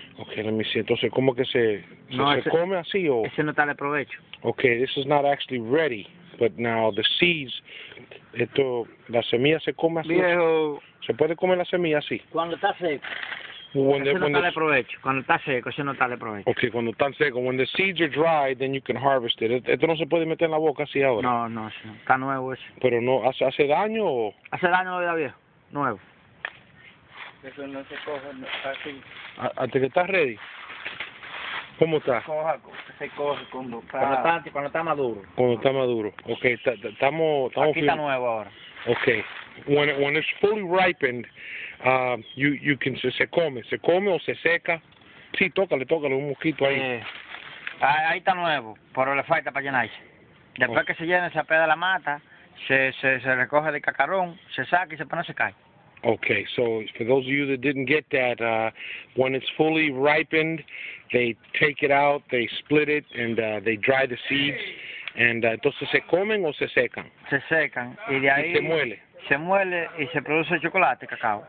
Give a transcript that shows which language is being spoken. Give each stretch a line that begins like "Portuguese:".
English: Okay, let me see.
Spanish: Entonces, ¿cómo que se come así o? Ese no está de provecho.
English: Okay, this is not actually ready, but now the seeds,
Spanish: esto, la semilla se come así. Viejo, ¿se puede comer la semilla así? Cuando está seco.
English: When
Spanish: ese no está de provecho. Cuando está seco, ese no está de provecho. Okay, cuando está seco.
English: When the seeds are dry, then you can harvest it.
Spanish: Esto no se puede meter en la boca así ahora. No, no, está nuevo ese. Pero no, ¿hace daño o? Hace daño lo de la vieja. Nuevo. Eso no se coge, no, así. ¿Hasta que estás ready? ¿Cómo está? Se coge cuando está. Cuando está maduro. Cuando está maduro. Okay, estamos. Aquí está nuevo ahora.
English: Okay. When it's fully ripened, you can
Spanish: se come o se seca. Sí, tócale un mosquito ahí. Ahí está nuevo, pero le falta para llenarse. Después que se llena, se apeda la mata, se recoge de cacarón, se saca y se pone a secar.
English: Okay, so for those of you that didn't get that, when it's fully ripened, they take it out, they split it, and they dry the seeds.
Spanish: And entonces se comen o se secan? Se secan y de ahí se muele. Se muele y se produce chocolate, cacao.